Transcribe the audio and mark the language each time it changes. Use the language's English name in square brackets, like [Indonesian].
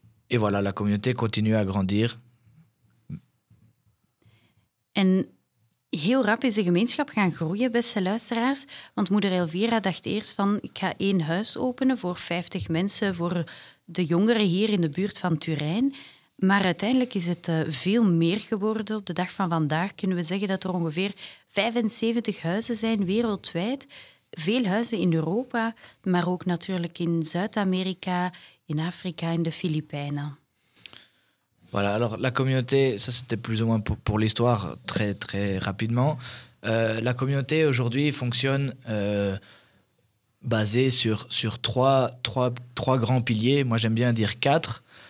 [French] Et voilà, la communauté continue à grandir. [Dutch] En heel rap is de gemeenschap gaan groeien, beste luisteraars. Want moeder Elvira dacht eerst van, ik ga één huis openen voor 50 mensen, voor de jongeren hier in de buurt van Turijn. Maar uiteindelijk is het veel meer geworden. Op de dag van vandaag kunnen we zeggen dat er ongeveer 75 huizen zijn wereldwijd. Veel huizen in Europa, maar ook natuurlijk in Zuid-Amerika, in Afrika, in de Filipijnen. [French] Voilà, alors la communauté, ça c'était plus ou moins pour l'histoire, très très rapidement. La communauté aujourd'hui fonctionne basée sur trois grands piliers. Moi j'aime bien dire quatre.